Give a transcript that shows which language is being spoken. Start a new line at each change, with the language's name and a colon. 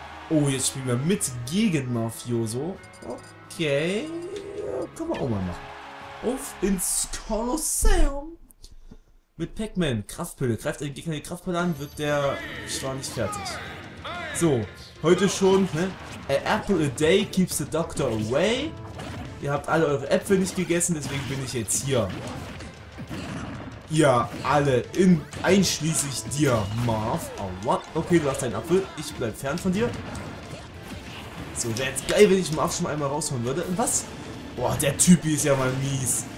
German: Oh, jetzt spielen wir mit gegen Mafioso. Okay. Können wir auch mal machen. Auf ins Kolosseum! Mit Pac-Man. Kraftpille. Greift den Gegner die Kraftpille an, wird der. Ich war nicht fertig. So, heute schon, ne?
English: An apple a day keeps the doctor away.
German: Ihr habt alle eure Äpfel nicht gegessen, deswegen bin ich jetzt hier. Ihr alle, einschließlich dir, Marv.
English: Oh, what?
German: Okay, du hast deinen Apfel. Ich bleib fern von dir. So, wäre jetzt geil, wenn ich Marv schon einmal rausholen würde. Was? Boah, der Typ ist ja mal mies.